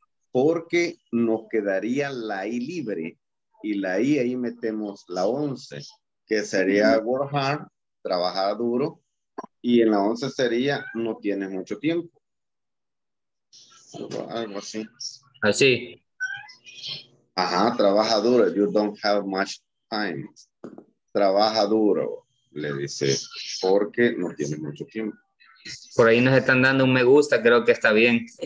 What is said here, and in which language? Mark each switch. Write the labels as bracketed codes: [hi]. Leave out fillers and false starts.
[es] Porque nos quedaría la I libre y la I ahí metemos la 11, que sería [en] work hard, [es] trabajar duro, y en la 11 sería no tienes mucho tiempo. Algo así. Así. Ajá, trabaja duro, [en] you don't have much time. [es] Trabaja duro, le dice, porque no tiene mucho tiempo. Por ahí nos están dando un me gusta, creo que está bien.